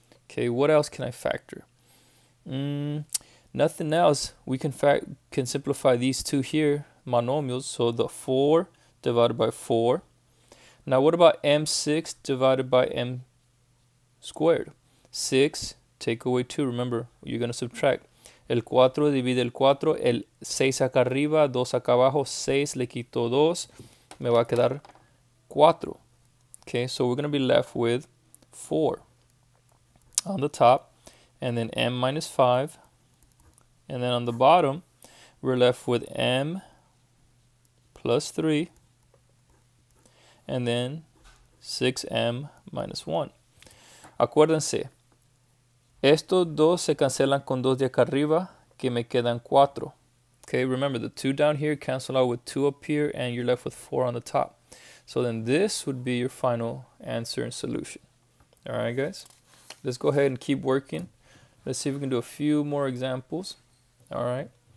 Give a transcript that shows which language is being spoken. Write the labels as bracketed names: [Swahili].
[English] Okay, what else can I factor? Nothing else. We can simplify these two here, monomials, so the 4 divided by 4. Now what about m6 divided by m squared? 6, take away 2, remember, you're going to subtract. [Spanish] El 4 divide el 4, el 6 acá arriba, 2 acá abajo, 6 le quito 2, me va a quedar 4. [English] Okay, so we're going to be left with 4 on the top, and then m minus 5, and then on the bottom, we're left with m plus 3, and then 6m minus 1. [Spanish] Acuérdense, estos dos se cancelan con dos de acá arriba, que me quedan 4. [English] Okay, remember, the 2 down here cancel out with 2 up here, and you're left with 4 on the top. So then this would be your final answer and solution. All right, guys, let's go ahead and keep working. Let's see if we can do a few more examples. All right.